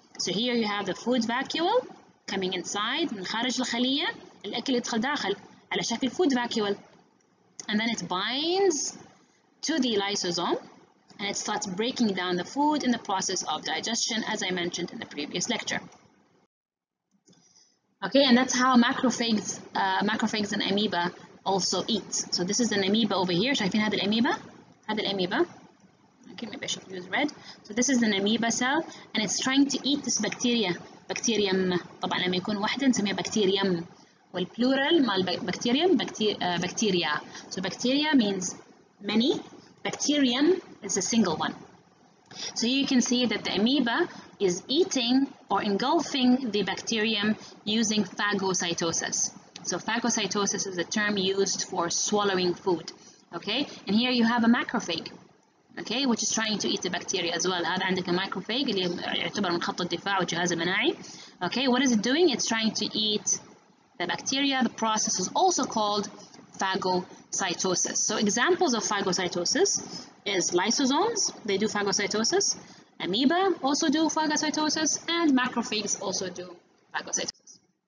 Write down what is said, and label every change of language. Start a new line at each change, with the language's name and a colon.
English: So here you have the food vacuole coming inside
Arabic: من خارج الخلية, الأكل يدخل داخل على شكل
English: food vacuole, and then it binds to the lysosome and it starts breaking down the food in the process of digestion, as I mentioned in the previous lecture. Okay, and that's how macrophages and amoeba also eat. So this is an amoeba over here.
Arabic: شايفين هذه الأميبا؟ هذه الأميبا.
English: Okay, maybe I should use red. So this is an amoeba cell and it's trying to eat this bacteria.
Arabic: Bacterium, طبعا لما يكون واحدة نسميها bacterium. والplural مال
English: bacterium, bacteria. So bacteria means many. Bacterium is a single one. So you can see that the amoeba is eating or engulfing the bacterium using phagocytosis. So phagocytosis is a term used for swallowing food. Okay, and here you have a macrophage. Okay, which is trying to eat the bacteria as well.
Arabic: هذا عندك الميكروفاج اللي يعتبر من خط الدفاع والجهاز المناعي.
English: Okay, what is it doing? It's trying to eat the bacteria. The process is also called phagocytosis. So examples of phagocytosis is lysosomes. They do phagocytosis. Amoeba also do phagocytosis, and macrophages also do phagocytosis.